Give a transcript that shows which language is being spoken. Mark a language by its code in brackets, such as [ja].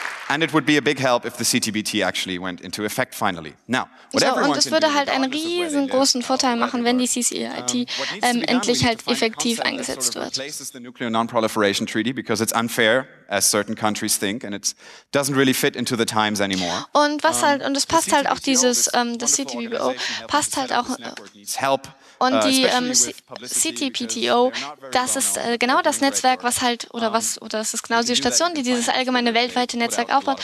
[en] And it would be a big help if the CTBT actually went into effect finally. Now, [de] und es würde halt einen riesengroßen Vorteil machen, wenn die CCIT endlich halt effektiv eingesetzt wird. [en] The Nuclear Non-Proliferation Treaty, because it's unfair, as certain countries think, and it doesn't really fit into the times anymore. [de] Und was halt, und es passt halt auch dieses das CTBO passt halt auch. Und die CTPTO, das ist genau das Netzwerk, das ist genau die Station, die dieses allgemeine weltweite Netzwerk aufbaut.